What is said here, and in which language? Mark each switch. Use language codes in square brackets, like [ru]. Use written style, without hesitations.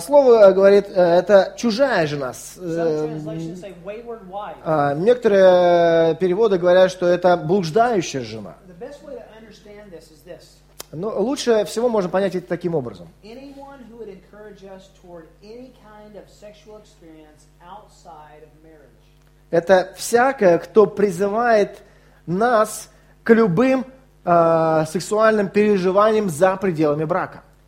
[ru] Слово говорит, это чужая жена. [en] Some translations say wayward wife. [ru] Некоторые переводы говорят, что это блуждающая жена. [en] The best way to understand this is this. [ru] Ну, лучше всего можно понять это таким образом. [en] Anyone who would encourage us toward any kind of sexual experience outside of marriage. [ru] Это всякое, кто призывает нас к любым сексуальным переживанием за пределами брака.